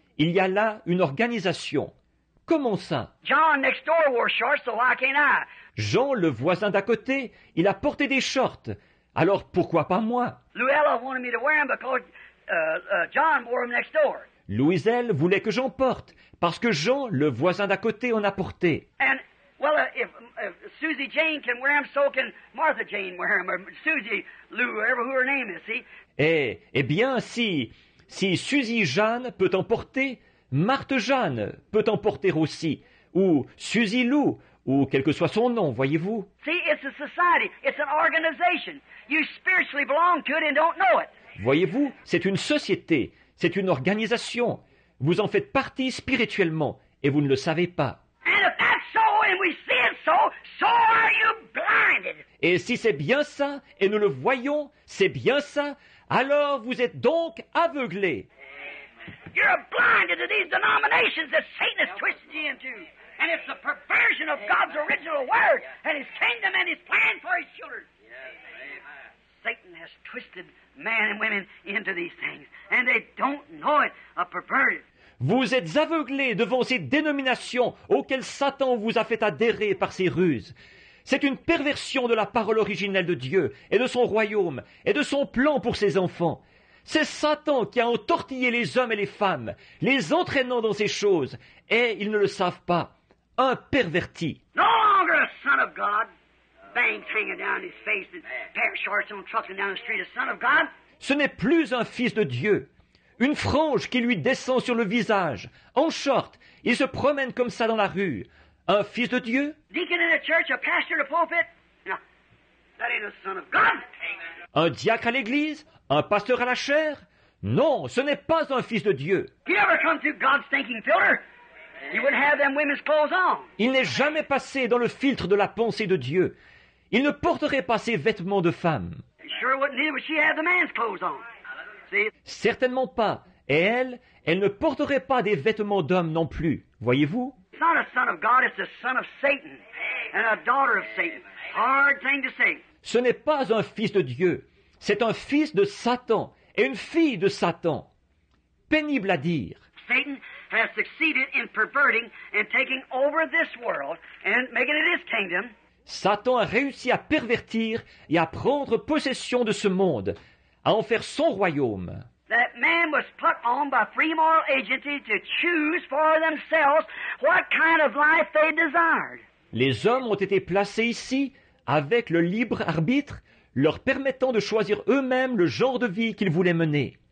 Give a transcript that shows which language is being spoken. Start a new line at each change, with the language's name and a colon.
French: Il y a là une organisation. Comment ça?
English: John next door wore shorts, so why can't I?
French: Jean, le voisin d'à côté, il a porté des shorts. Alors pourquoi pas moi?
English: Luella wanted me to wear them because John wore them next door.
French: Louiselle voulait que j'en porte parce que Jean, le voisin d'à côté, en a porté.
English: And well, if Susie Jane can wear them, so can Martha Jane wear them, or Susie Lou, whatever her name is. See?
French: Eh bien, si Susie Jeanne peut en porter. Marthe Jeanne peut en porter aussi, ou Susie Lou, ou quel que soit son nom, voyez-vous.
English: See, it's a society, it's an organization. You spiritually belong to it and don't know it.
French: Voyez-vous, c'est une société, c'est une organisation. Vous en faites partie spirituellement et vous ne le savez pas.
English: And if that's so and we see it so, so are you blinded.
French: Et si c'est bien ça et nous le voyons, c'est bien ça, alors vous êtes donc aveuglés.
English: You're blinded to these denominations that Satan has twisted you into. And it's the perversion of God's original word and his kingdom and his plan for his children. Satan has twisted men and women into these things. And they don't know it, a perverted.
French: Vous êtes aveuglés devant ces dénominations auxquelles Satan vous a fait adhérer par ses ruses. C'est une perversion de la parole originelle de Dieu et de son royaume et de son plan pour ses enfants. C'est Satan qui a entortillé les hommes et les femmes, les entraînant dans ces choses, et ils ne le savent pas. Un perverti.
English: No longer a son of God. Banks hanging down his face and pair of shorts on trucking down the street, a son of God.
French: Ce n'est plus un fils de Dieu. Une frange qui lui descend sur le visage. En short, il se promène comme ça dans la rue. Un fils de Dieu?
English: Deacon in a church, a pastor in a pulpit. That ain't a son of God.
French: Un diacre à l'église? Un pasteur à la chair? Non, ce n'est pas un fils de Dieu.
English: He never come through God's thinking filter. He wouldn't have them women's clothes on.
French: Il n'est jamais passé dans le filtre de la pensée de Dieu. Il ne porterait pas ses vêtements de femme.
English: Sure wouldn't either, but she had the man's clothes on.
French: Certainement pas. Et elle ne porterait pas des vêtements d'homme non plus. Voyez-vous?
English: It's not a son of God, it's a son of Satan. And a daughter of Satan. Hard thing to say.
French: Ce n'est pas un fils de Dieu. C'est un fils de Satan et une fille de Satan. Pénible à dire.
English: Satan has succeeded in perverting and taking over this world and making it his kingdom.
French: Satan a réussi à pervertir et à prendre possession de ce monde, à en faire son royaume.
English: That man was put on by free moral agency to choose for themselves what kind of life they desired.
French: Les hommes ont été placés ici avec le libre arbitre, leur permettant de choisir eux-mêmes le genre de vie qu'ils voulaient mener.